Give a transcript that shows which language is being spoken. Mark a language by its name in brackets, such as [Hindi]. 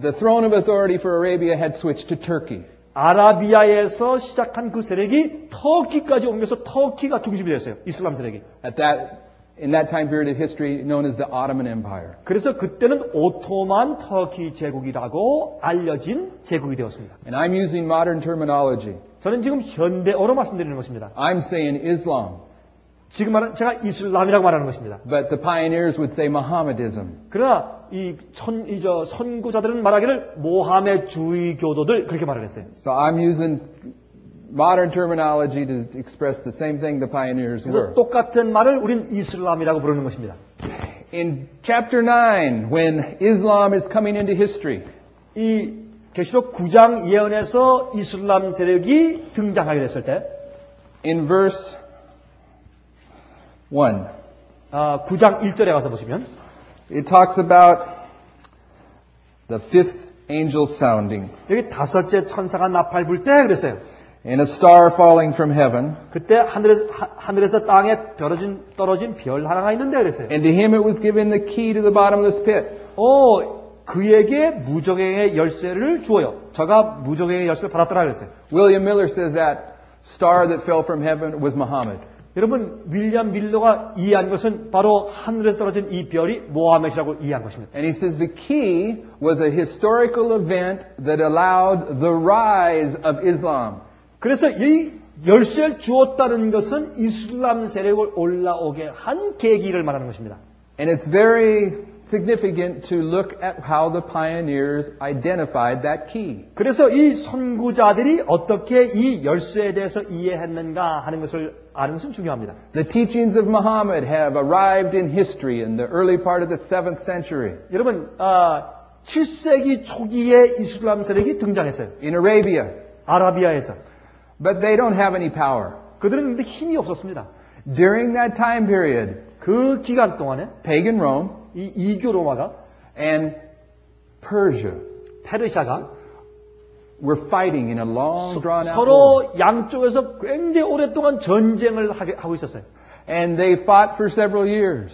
[English] the throne of authority for Arabia had switched to Turkey. [Korean] 아라비아에서 시작한 그 세력이 터키까지 옮겨서 터키가 중심이 됐어요. 이슬람 세력이. [English] In that time period of history known as the Ottoman Empire. [Korean] 그래서 그때는 오토만 터키 제국이라고 알려진 제국이 되었습니다. [English] And I'm using modern terminology. [Korean] 저는 지금 현대어로 말씀드리는 것입니다. [English] I'm saying Islam. [Korean] 지금 말은 제가 이슬람이라고 말하는 것입니다. [English] But the pioneers would say Mohammedism. [Korean] 그러나 이 선구자들은 말하기를 모하메주의 교도들 그렇게 말을 했어요. [English] So I'm using modern terminology to express the same thing the pioneers were. [Korean] 똑같은 말을 우린 이슬람이라고 부르는 것입니다. [English] In chapter 9, when Islam is coming into history, [Korean] 이 계시록 9장 예언에서 이슬람 세력이 등장하게 됐을 때, [English] in verse 1, [Korean] 9장 1절에 가서 보시면, [English] it talks about the fifth angel sounding. [Korean] 여기 다섯째 천사가 나팔 불 때 그랬어요. [English] And a star falling from heaven. [Korean] 그때 하늘에서 땅에 떨어진 별 하나가 있는데 그랬어요. [English] And to him it was given the key to the bottomless pit. [Korean] 그에게 무정행의 열쇠를 주어요. 저가 무정행의 열쇠를 받았더라 그랬어요. [English] William Miller says that star that fell from heaven was Muhammad. [Korean] 여러분 윌리엄 밀러가 이해한 것은 바로 하늘에서 떨어진 이 별이 모하메시라고 이해한 것입니다. [English] And he says the key was a historical event that allowed the rise of Islam. [Korean] 그래서 이 열쇠를 주었다는 것은 이슬람 세력을 올라오게 한 계기를 말하는 것입니다. [English] And it's very significant to look at how the pioneers identified that key. [Korean] 그래서 이 선구자들이 어떻게 이 열쇠에 대해서 이해했는가 하는 것을 아는 것은 중요합니다. [English] The teachings of Muhammad have arrived in history in the early part of the 7th century. [Korean] 여러분, 7세기 초기에 이슬람 세력이 등장했어요. [English] In Arabia. [Korean] 아라비아에서. [English] But they don't have any power. [Korean] 그들은 근데 힘이 없었습니다. [English] During that time period, [Korean] 그 기간 동안에 [English] pagan Rome, [Korean] 이 이교 로마가 [English] and Persia, [Korean] 페르시아가 [English] were fighting in a long drawn out [Korean] 서로 양쪽에서 굉장히 오랫동안 전쟁을 하고 있었어요. [English] And they fought for several years.